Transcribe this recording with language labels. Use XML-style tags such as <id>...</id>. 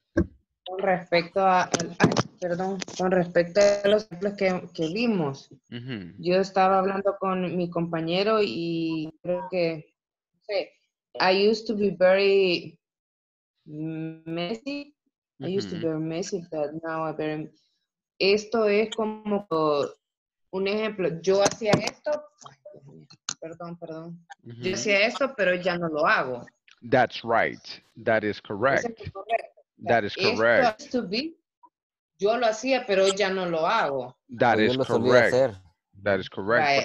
<es>Con respecto a, con respecto a los ejemplos que vimos, yo estaba hablando con mi compañero y creo que, no sé,</es> <en>I used to be very messy. I used to be very messy, but now I'm very.</en> <es>Esto es como un ejemplo. Yo hacía esto, yo hacía esto, pero ya no lo hago.</es> <en>That's right. That is correct. That is correct.</en> <es>Esto</es> <en>has to be.</en> <es>Yo lo hacía, pero ya no lo hago.</es> <en>That is correct. That is correct.</en>